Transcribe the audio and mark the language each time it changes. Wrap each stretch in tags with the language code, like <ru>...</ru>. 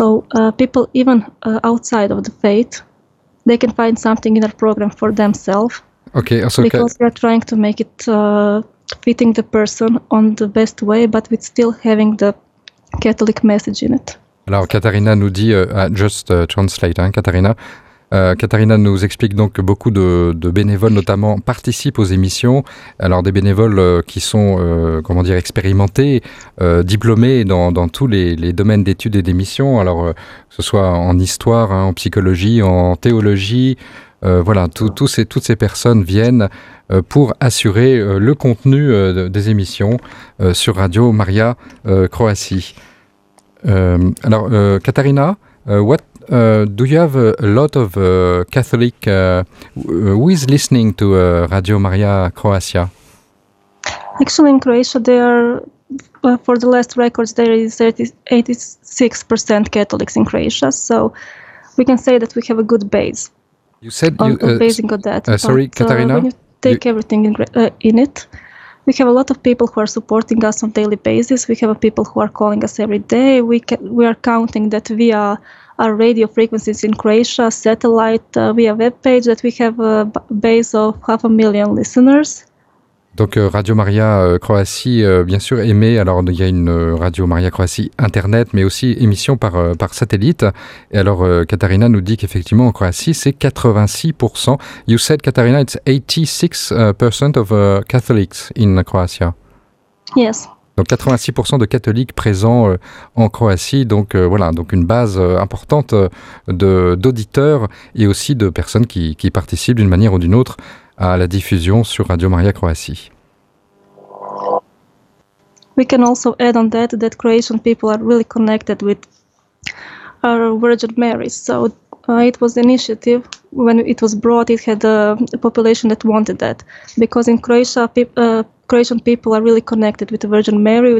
<en>So people even outside of the faith, they can find something in our program for themselves. Okay, so because we are trying to make it fitting the person on the best way, but with still having the Catholic message in it.</en> <fr>Alors, Katharina nous dit,</fr> <en>just translate,</en> <fr>hein, Katharina. Katharina nous explique donc que beaucoup de bénévoles notamment participent aux émissions. Alors des bénévoles qui sont, comment dire, expérimentés, diplômés dans tous les domaines d'études et d'émissions. Alors que ce soit en histoire, hein, en psychologie, en théologie, voilà, toutes ces personnes viennent pour assurer le contenu des émissions sur Radio Maria Croatie.</fr> <en>Alors Katharina, do you have a lot of Catholic who is listening to Radio Maria Croatia? Actually, in Croatia, they are, for the last records, there is 86% Catholics in Croatia. So we can say that we have a good base. You said basing on that. Sorry, Katharina. When you take everything in it, we have a lot of people who are supporting us on a daily basis. We have people who are calling us every day. We are counting that we are. Our radio frequencies in Croatia, satellite, via web page, that we have a base of 500,000 listeners.</en> <fr>Donc Radio Maria Croatie, bien sûr, émet, alors il y a une Radio Maria Croatie Internet, mais aussi émission par satellite. Et alors Katharina nous dit qu'effectivement en Croatie, c'est 86%.</fr> <en>You said, Katharina, it's 86% of Catholics in Croatia. Yes.</en> <fr>Donc 86% de catholiques présents en Croatie, donc voilà, donc une base importante d'auditeurs et aussi de personnes qui participent d'une manière ou d'une autre à la diffusion sur Radio Maria Croatie.</fr> <en>We can also add on that that Croatian people are really connected with our Virgin Mary. So it was the initiative when it was brought. It had a population that wanted that because in Croatia, Croatian people are really connected with the Virgin Mary.</en>